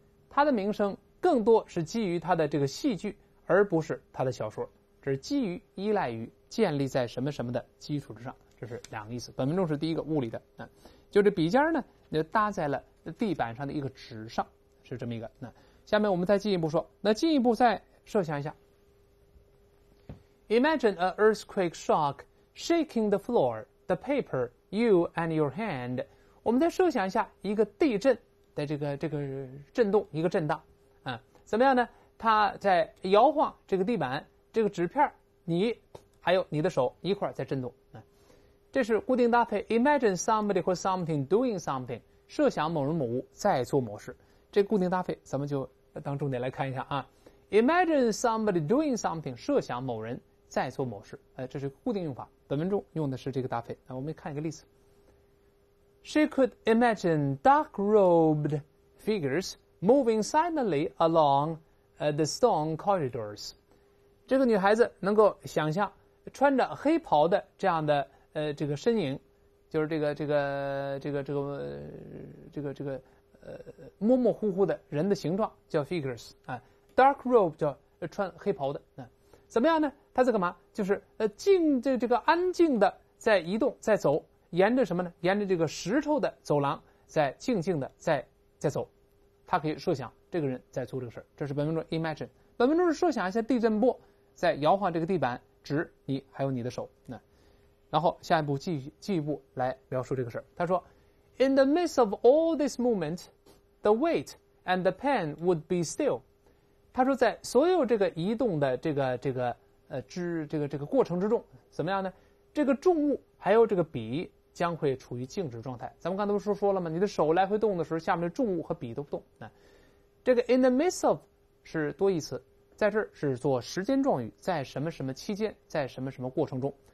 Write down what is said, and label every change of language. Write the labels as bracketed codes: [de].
[zh] 他的名声更多是基于他的这个戏剧，而不是他的小说。这是基于、依赖于、建立在什么什么的基础之上。这是两个意思。本文中是第一个物理的，就这笔尖呢，就搭在了地板上的一个纸上，是这么一个。下面我们再进一步说，那进一步再设想一下。 [en] Imagine an earthquake shock shaking the floor, the paper, you and your hand. [zh] 我们再设想一下一个地震的这个震动，一个震荡，怎么样呢？它在摇晃这个地板，这个纸片，你还有你的手一块在震动，这是固定搭配。 [en] Imagine somebody or something doing something. [zh] 设想某人某物在做某事。这固定搭配咱们就当重点来看一下啊。 [en] Imagine somebody doing something. [zh] 设想某人在做某事。这是固定用法。本文中用的是这个搭配。那我们看一个例子。 [en] She could imagine dark robed figures moving silently along the stone corridors. [zh] 这个女孩子能够想象穿着黑袍的这样的这个身影，就是这个模模糊糊的人的形状叫 figures 啊 ， [en] dark robe [zh] 叫穿黑袍的啊，怎么样呢？他在干嘛？就是静安静的在移动，在走，沿着什么呢？沿着这个石头的走廊，在静静的在走。他可以设想这个人在做这个事，这是本文中 imagine。本文中是设想一下地震波在摇晃这个地板，指你还有你的手那。然后下一步进一步来描述这个事儿。他说 [en] ,In the midst of all this movement, the weight and the pen would be still. [zh] 他说在所有这个移动的这个过程之中怎么样呢，这个重物还有这个笔将会处于静止状态。咱们刚才不是说了吗，你的手来回动的时候下面的重物和笔都不动。这个 [en] in the midst of [zh] 是多义词，在这儿是做时间状语，在什么什么期间，在什么什么过程中。